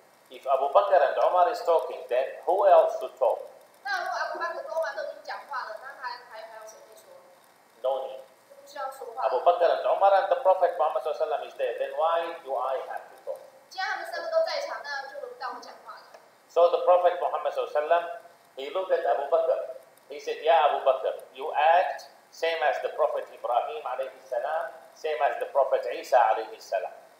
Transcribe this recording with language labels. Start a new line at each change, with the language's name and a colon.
English: If Abu Bakr and Umar is talking, then who else should talk?
Chinese: 那如果阿布巴克跟欧玛都已经讲话了，那他还有谁会说？
English: No need.
Chinese: 就不需要说话。
English: Abu Bakr and Umar and the Prophet Muhammad SAW is there, then why do I have to talk?
Chinese: 既然他们三个都在场，那就轮不到我讲话了。 So
English: the Prophet Muhammad SAW, he looked at Abu Bakr. He said, Ya Abu Bakr, you act same as the Prophet Ibrahim alayhi salam, same as the Prophet Isa alayhi salam.